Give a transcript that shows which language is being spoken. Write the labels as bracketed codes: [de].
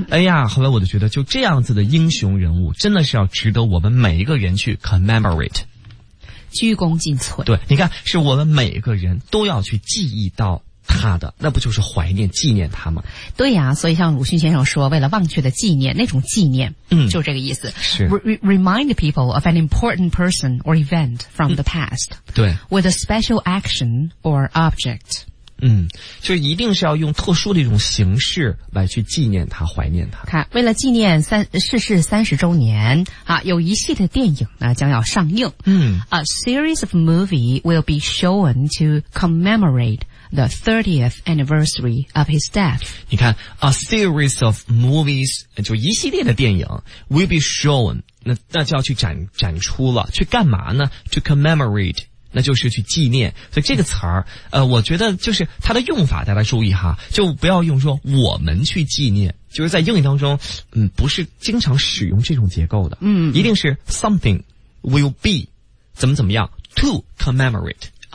[zh] 哎呀，后来我就觉得就这样子的英雄人物真的是要值得我们每一个人去 commemorate。鞠躬尽瘁，对，你看是我们每个人都要去记忆到他的，那不就是怀念纪念他吗？对呀、所以像鲁迅先生说，为了忘却的纪念，那种纪念，就是这个意思，是 [en] remind people of an important person or event from the past、 [zh] 对 [en] with a special action or object。 [zh] 就是一定是要用特殊的一种形式来去纪念他，怀念他。看，为了纪念逝世30周年啊，有一系列电影呢将要上映。 [en] A series of movies will be shown to commemorate the 30th anniversary of his death. [zh] 你看 , [en] a series of movies, [zh] 就一系列的电影 [en] will be shown, [zh] 那就要去展出了，去干嘛呢？ [en] To commemorate, [zh] 那就是去纪念。所以这个词儿，我觉得就是它的用法大家注意哈，就不要用说我们去纪念，就是在英语当中不是经常使用这种结构的，一定是 [en] something will be [zh] 怎么怎么样 [en] to commemorate。